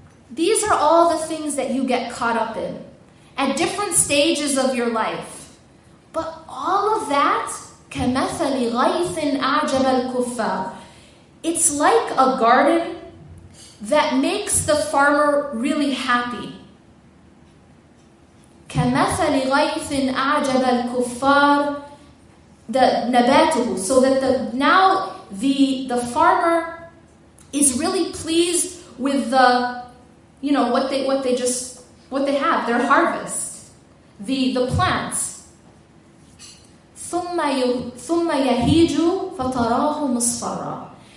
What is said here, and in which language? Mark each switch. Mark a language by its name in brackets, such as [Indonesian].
[English] These are all the things that you get caught up in at different stages of your life. But all of that, [Arabic] كَمَثَلِ غَيْثٍ أَعْجَبَ الْكُفَّارِ. [English] It's like a garden that makes the farmer really happy. [Arabic] كَمَثَلِ غَيْثٍ أَعْجَبَ الْكُفَّارِ the نَبَاتُهُ. [English] So that the farmer is really pleased with the, you know, what they have, their harvest, the plants. [Arabic] ثُمَّ يَهِيجُ فَتَرَاهُ مُصْفَرًا.